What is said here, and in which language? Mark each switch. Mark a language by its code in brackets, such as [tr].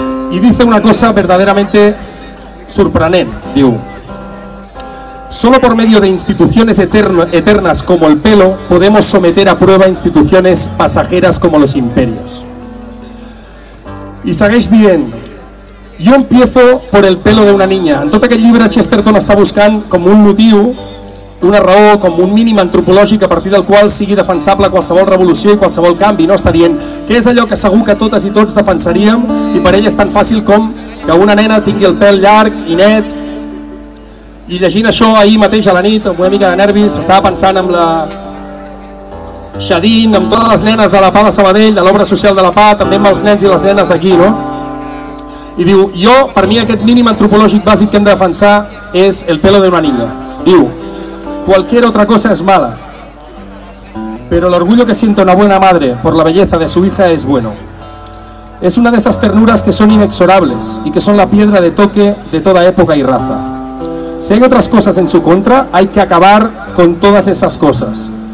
[es] Y dice una cosa verdaderamente sorprendente, [ca] diu: [es] solo por medio de instituciones eternas como el pelo podemos someter a prueba instituciones pasajeras como los imperios. Y [ca] segueix dient: [es] yo empiezo por el pelo de una niña. [ca] En tot aquest llibre Chesterton està buscant com un motiu, una raó, com un mínim antropològic a partir del qual sigui defensable qualsevol revolució i qualsevol canvi, no? Està dient que és allò que segur que totes i tots defensaríem, i per ell és tan fàcil com que una nena tingui el pèl llarg i net. I llegint això ahir mateix a la nit, amb una mica de nervis, estava pensant amb la Xadín, amb totes les nenes de la PA de Sabadell, de l'obra social de la PA, també amb els nens i les nenes d'aquí, no? I diu, jo, per mi aquest mínim antropològic bàsic que hem de defensar és [es] el pelo de una niña. [ca] Diu, [es] cualquier otra cosa es mala, pero el orgullo que siente una buena madre por la belleza de su hija es bueno. Es una de esas ternuras que son inexorables y que son la piedra de toque de toda época y raza. Si hay otras cosas en su contra, hay que acabar con todas esas cosas.